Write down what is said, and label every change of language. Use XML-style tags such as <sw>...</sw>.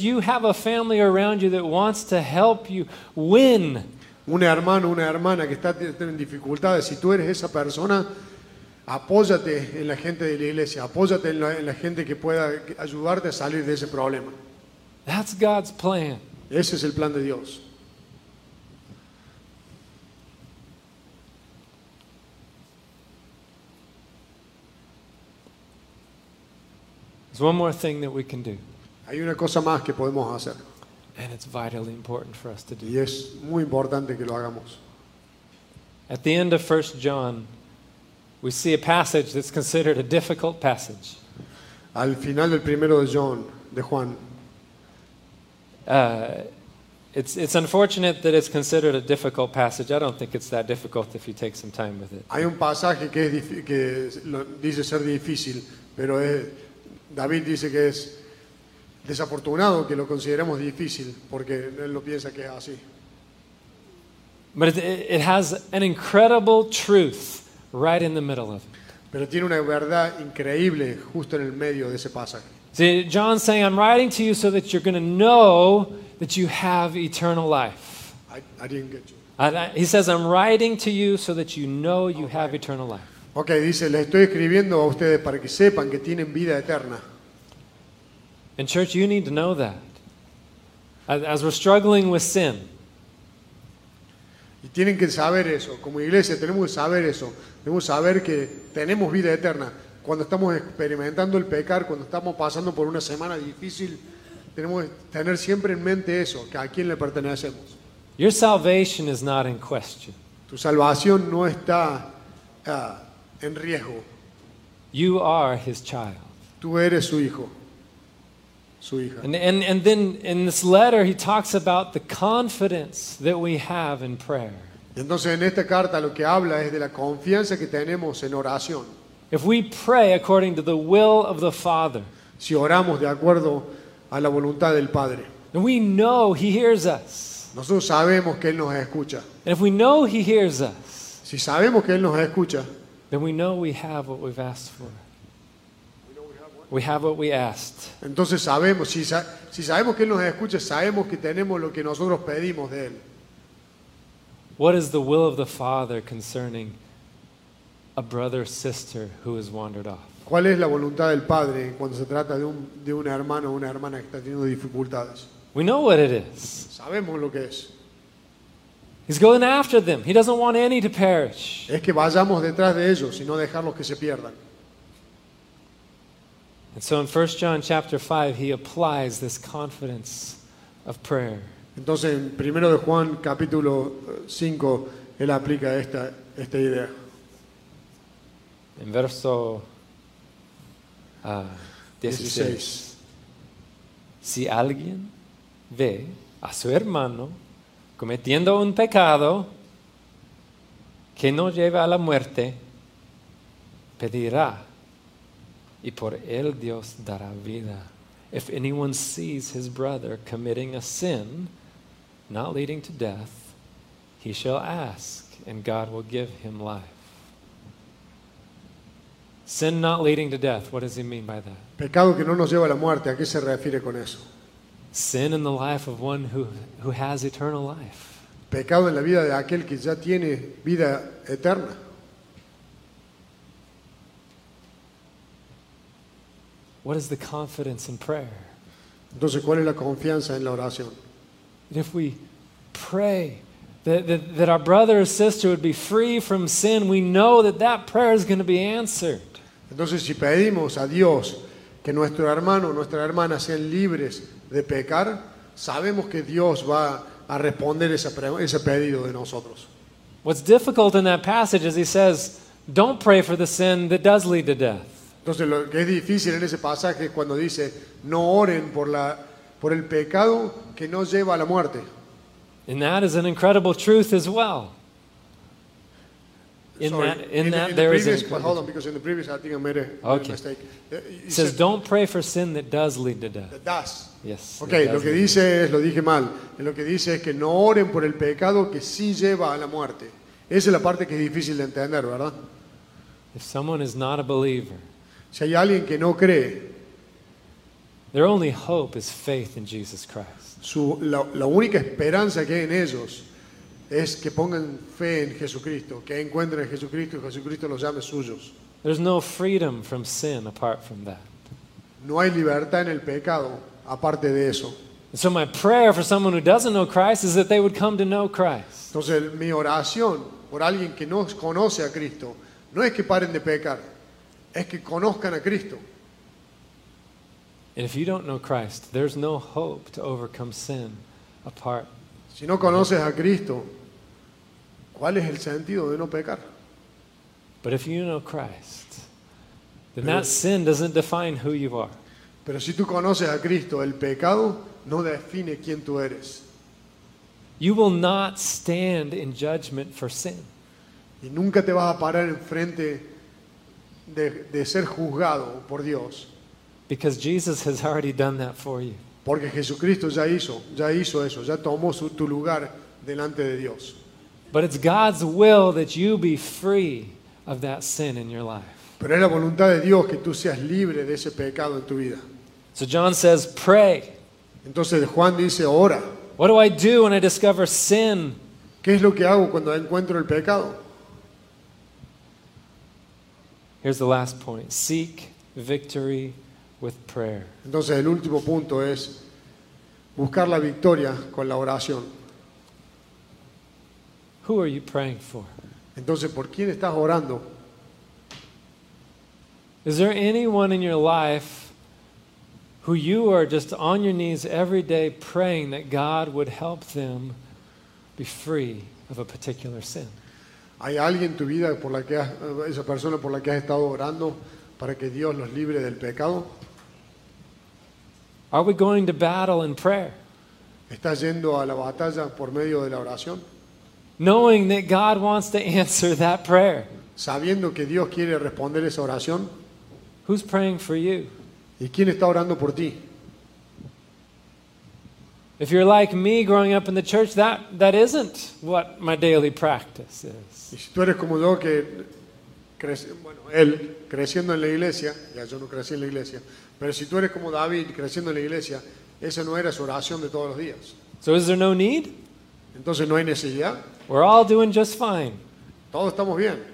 <en>You have a family around you that wants to help you win.</en> <es>Un hermano, una hermana que está teniendo dificultades. Si tú eres esa persona, apóyate en la gente de la iglesia. Apóyate en la gente que pueda ayudarte a salir de ese problema.</es> <en>That's God's plan.</en> <es>Ese es el plan de Dios.</es> <en>There's one more thing that we can do.</en> <es>Hay una cosa más que podemos hacer.</es> <en>And it's vitally important for us to do.</en> <es>Y es muy importante que lo hagamos.</es> <en>At the end of 1 John, we see a passage that's considered a difficult passage.</en> <es>Al final del primero de Juan.</es> <en>It's unfortunate that it's considered a difficult passage. I don't think it's that difficult if you take some time with it.</en> <es>Hay un pasaje que dice ser difícil, pero David dice que es desafortunado que lo consideremos difícil porque él lo piensa que es así.</es> <en>But it has an incredible truth right in the middle of it.</en> <es>Pero tiene una verdad increíble justo en el medio de ese pasaje.</es> <en>See, John's saying, I'm writing to you so that you're going to know that you have eternal life. I didn't get you. He says, I'm writing to you so that you know you have eternal life.</en> <es>Okay, dice, le estoy escribiendo a ustedes para que sepan que tienen vida eterna.</es> <en>And church, you need to know that. As we're struggling with sin.</en> <es>Y tienen que saber eso. Como iglesia, tenemos que saber eso. Tenemos que saber que tenemos vida eterna. Cuando estamos experimentando el pecar, cuando estamos pasando por una semana difícil, tenemos que tener siempre en mente eso, que a quién le pertenecemos.</es> <en>Your salvation is not in question.</en> <es>Tu salvación no está en riesgo.</es> <en>You are his child.</en> <es>Tú eres su hijo, su hija.</es> <en>And then in this letter he talks about the confidence that we have in prayer.</en> <es>Y entonces en esta carta lo que habla es de la confianza que tenemos en oración.</es> <en>If we pray according to the will of the Father,</en> <es>si oramos de acuerdo a la voluntad del Padre,</es> <en>then we know He hears us.</en> <es>Nosotros sabemos que Él nos escucha.</es> <en>And if we know He hears us,</en> <es>si sabemos que Él nos escucha,</es> <en>then we know we have what we've asked for. We have what we asked.</en> <es>Entonces sabemos, si sabemos que Él nos escucha, sabemos que tenemos lo que nosotros pedimos de Él.</es> <en>What is the will of the Father concerning a brother or sister who has wandered off?</en> <es>¿Cuál es la voluntad del Padre cuando se trata de un hermano o una hermana que está teniendo dificultades?</es> <en>We know what it is.</en> <es>Sabemos lo que es.</es> <en>He's going after them. He doesn't want any to perish.</en> <es>Es que vayamos detrás de ellos y no dejarlos que se pierdan.</es> <en>And so in 1 John chapter 5 he applies this confidence of prayer.</en> <es>Entonces en 1 de Juan capítulo 5 él aplica esta idea. En verso 16. Si alguien ve a su hermano cometiendo un pecado que no lleva a la muerte, pedirá y por él Dios dará vida.</es> <en>If anyone sees his brother committing a sin not leading to death, he shall ask and God will give him life. Sin not leading to death. What does he mean by that?</en> <es>Pecado que no nos lleva a la muerte. ¿A qué se refiere con eso?</es> <en>Sin in the life of one who has eternal life.</en> <es>Pecado en la vida de aquel que ya tiene vida eterna.</es> <en>What is the confidence in prayer?</en> <es>Entonces, ¿cuál es la confianza en la oración?</es> <en>If we pray that our brother or sister would be free from sin, we know that prayer is going to be answered.</en> <es>Entonces, si pedimos a Dios que nuestro hermano o nuestra hermana sean libres de pecar, sabemos que Dios va a responder ese pedido de nosotros.</es> <en>What's difficult in that passage is he says, don't pray for the sin that does lead to death.</en> <es>Entonces, lo que es difícil en ese pasaje es cuando dice, no oren por el pecado que no lleva a la muerte.</es> <en>And that is an incredible truth as well. Hold on, because in the previous I think I made a mistake. It says, don't pray for sin that does lead to death. That does. Yes.</en> <es>Okay, lo que dice es, lo dije mal. Lo que dice es que no oren por el pecado que sí lleva a la muerte. Esa es la parte que es difícil de entender, ¿verdad?</es> <en>If someone is not a believer,</en> <es>si hay alguien que no cree,</es> <en>their only hope is faith in Jesus Christ.</en> <es>La única esperanza que hay en ellos es que pongan fe en Jesucristo, que encuentren a Jesucristo y Jesucristo los llame suyos.</es> <en>There's no freedom from sin apart from that.</en> <es>No hay libertad en el pecado aparte de eso.</es> <en>So my prayer for someone who doesn't know Christ is that they would come to know Christ.</en> <es>Entonces mi oración por alguien que no conoce a Cristo no es que paren de pecar, es que conozcan a Cristo.</es> <en>And if you don't know Christ, there's no hope to overcome sin apart.</en> <es>Si no conoces a Cristo, ¿cuál es el sentido de no pecar?</es> <en>But if you know Christ, then that sin doesn't define who you are.</en> <es>Pero si tú conoces a Cristo, el pecado no define quién tú eres.</es> <en>You will not stand in judgment for sin.</en> <es>Y nunca te vas a parar en frente de ser juzgado por Dios.</es> <en>Because Jesus has already done that for you.</en> <es>Porque Jesucristo ya hizo eso, ya tomó tu lugar delante de Dios.</es> <en>But it's God's will that you be free of that sin in your life.</en> <es>Pero es la voluntad de Dios que tú seas libre de ese pecado en tu vida.</es> <en>So John says, pray.</en> <es>Entonces Juan dice, ora.</es> <en>What do I do when I discover sin?</en> <es>¿Qué es lo que hago cuando encuentro el pecado?</es> <en>Here's the last point. Seek victory with prayer.</en> <es>Entonces el último punto es buscar la victoria con la oración.</es> <en>Who are you praying for?</en> <es>Entonces, ¿por quién estás orando?</es> <en>Is there anyone in your life who you are just on your knees every day praying that God would help them be free of a particular sin?</en> <es>¿Hay alguien en tu vida por la que esa persona por la que has estado orando para que Dios los libre del pecado?</es> <en>Are we going to battle in prayer?</en> <es>¿Estás yendo a la batalla por medio de la oración?</es> <en>Knowing that God wants to answer that prayer.</en> <es>Sabiendo que Dios quiere responder esa oración.</es> <en>Who's praying for you?</en> <es>¿Y quién está orando por ti?</es> <en>If you're like me growing up in the church, that isn't what my daily practice is.</en> <es>Y si tú eres como yo que creciendo en la iglesia, ya yo no crecí en la iglesia, pero si tú eres como David creciendo en la iglesia, esa no era su oración de todos los días.</es> <en>So is there no need?</en> <es>Entonces no hay necesidad.</es> <en>We're all doing just fine.</en> <es>Todos estamos bien.</es>